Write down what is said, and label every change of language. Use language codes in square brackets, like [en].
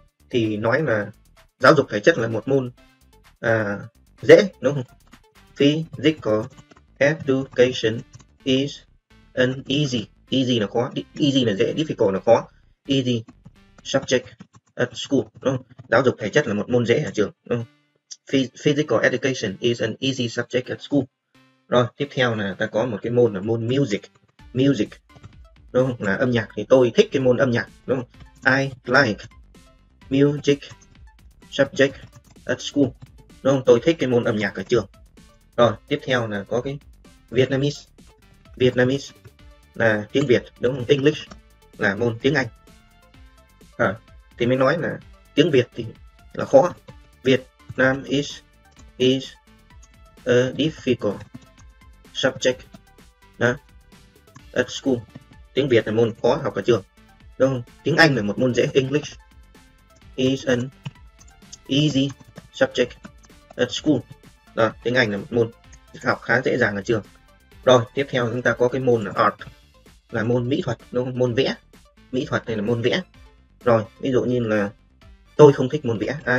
[vi] Thì nói là giáo dục thể chất là một môn dễ, đúng không? [en] Physical education is an easy, [vi] easy là khó, easy là dễ, difficult là khó, [en] easy subject at school, [vi] đúng không? Giáo dục thể chất là một môn dễ ở trường, đúng không? [en] Physical education is an easy subject at school. [vi] Rồi, tiếp theo là ta có một cái môn là môn music. Music, đúng không? Là âm nhạc, thì tôi thích cái môn âm nhạc, đúng không? [en] I like music subject at school, [vi] đúng không? Tôi thích cái môn âm nhạc ở trường. Rồi, tiếp theo là có cái Vietnamese. Vietnamese là tiếng Việt, đúng không? English là môn tiếng Anh. Thì mới nói là tiếng Việt thì là khó. [en] Việt Nam is a difficult subject [vi] đó, [en] at school. [vi] Tiếng Việt là môn khó học ở trường, đúng không? Tiếng Anh là một môn dễ. [en] English is an easy subject at school. [vi] Đó, tiếng Anh là một môn học khá dễ dàng ở trường. Rồi, tiếp theo chúng ta có cái môn là art, là môn mỹ thuật, đúng không? Môn vẽ. Mỹ thuật này là môn vẽ. Rồi, ví dụ như là tôi không thích môn vẽ.